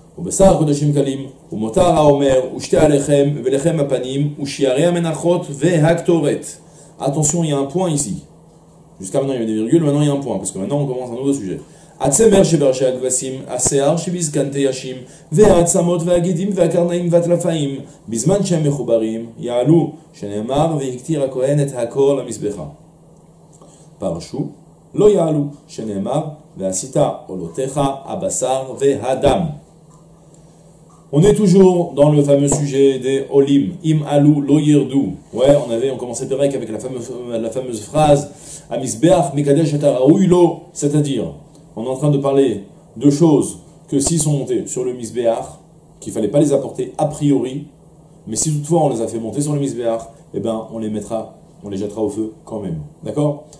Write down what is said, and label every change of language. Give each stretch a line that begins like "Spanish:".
Hebrew: ובשר הקודשים קלים, ומותר האומר, ושתי הלחם, ולחם הפנים, ושיערי המנחות, והקטורת.
French: Attention, il y a un point ici. Jusqu'à maintenant, il y a des virgules, maintenant, il y a un point, parce que maintenant, on commence un nouveau sujet.
Hebrew: הצמר שבראשי הכבשים, השיער שבזקנתי השים, והעצמות והגידים והקרניים והטלפיים, בזמן שהם מחוברים, יעלו, שנאמר, והקטיר הכהן את הכל למזבחה. פרשו, לא יעלו, שנאמר, ועשית עולותיך, הבשר והדם.
French: On est toujours dans le fameux sujet des Olim,
Hebrew: Im Alu, Lo Yerdu.
French: Ouais, on commençait le Perek avec la fameuse phrase
Hebrew: Amisbeach Mekadesh
French: et Araouilo, c'est-à-dire, on est en train de parler de choses que s'ils sont montés sur le Misbeach, qu'il ne fallait pas les apporter a priori, mais si toutefois on les a fait monter sur le Misbeach, eh ben on les mettra, on les jettera au feu quand même. D'accord?